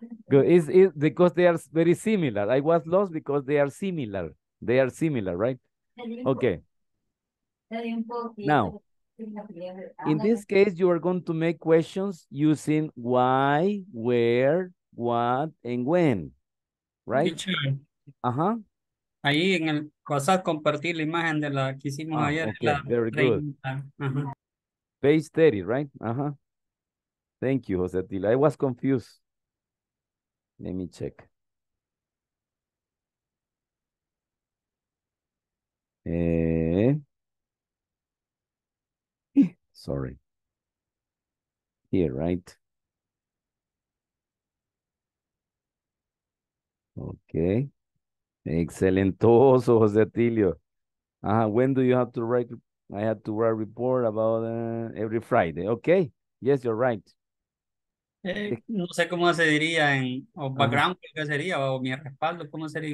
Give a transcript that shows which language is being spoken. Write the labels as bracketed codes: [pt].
[en] Good. It's because they are very similar. I was lost because they are similar. They are similar, right? Okay. Now, in this case, you are going to make questions using why, where, what, and when, right? Ajá. [es] Ahí en el WhatsApp compartí la imagen de la que hicimos ayer. [en] Okay, very good. Page 30, right? Ajá. Thank you, José Tila. I was confused. Let me check. Sorry. Here, right? Okay. Excellent, José Atilio. When do you have to write? I have to write a report about every Friday. Okay. Yes, you're right. [es] No sé cómo se diría en o background, qué sería, o mi respaldo, cómo sería.